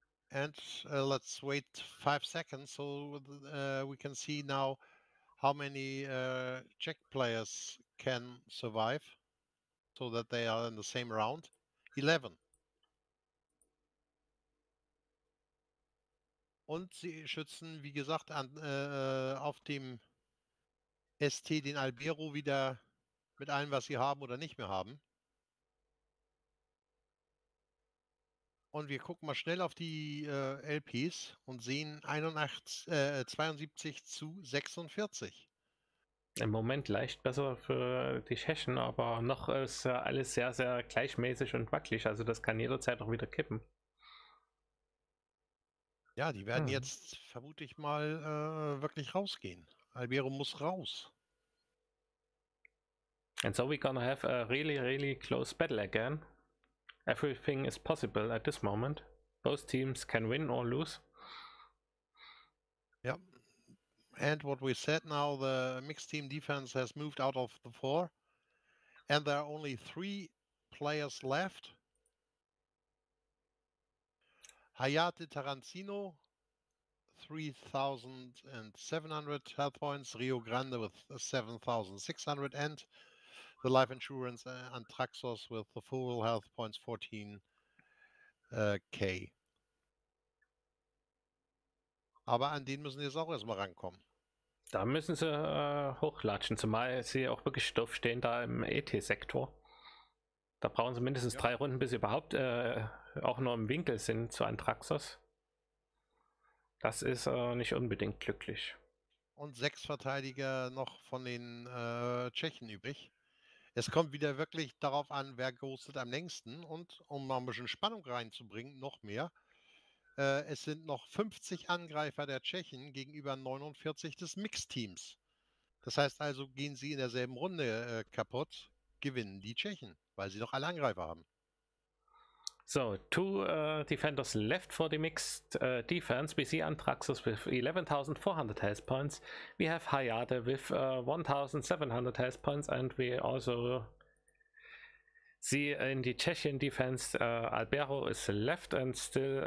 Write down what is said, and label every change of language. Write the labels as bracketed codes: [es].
[en] And let's wait 5 seconds so we can see now how many Czech players can survive. So that they are in the same round. 11. [de] Und sie schützen, wie gesagt, an, auf dem ST den Albero wieder mit allem, was sie haben oder nicht mehr haben. Und wir gucken mal schnell auf die LPs und sehen 72 zu 46. Im Moment leicht besser für die Tschechen, aber noch ist alles sehr, sehr gleichmäßig und wackelig. Also das kann jederzeit auch wieder kippen. Ja, die werden jetzt vermutlich mal wirklich rausgehen. Albero muss raus. [en] And so we're gonna have a really, really close battle again. Everything is possible at this moment. Both teams can win or lose. Yep. And what we said now, the mixed team defense has moved out of the four. And there are only three players left. Hayate Tarantino, 3,700 health points. Rio Grande with 7,600 and the life insurance and Traxos with the full health points, 14k. [de] Aber an den müssen sie jetzt auch erstmal rankommen. Da müssen sie hochlatschen, zumal sie auch wirklich stoff stehen da im ET-Sektor. Da brauchen sie mindestens drei Runden, bis sie überhaupt auch nur im Winkel sind zu Antraxos. Das ist nicht unbedingt glücklich. Und sechs Verteidiger noch von den Tschechen übrig. Es kommt wieder wirklich darauf an, wer ghostet am längsten. Und um noch ein bisschen Spannung reinzubringen, noch mehr. Es sind noch 50 Angreifer der Tschechen gegenüber 49 des Mixteams. Das heißt also, gehen sie in derselben Runde kaputt, gewinnen die Tschechen, weil sie noch alle Angreifer haben. [en] So, two defenders left for the mixed defense. We see Antraxos with 11,400 health points. We have Hayate with 1,700 health points. And we also see in the Tschechian defense, Albero is left and still...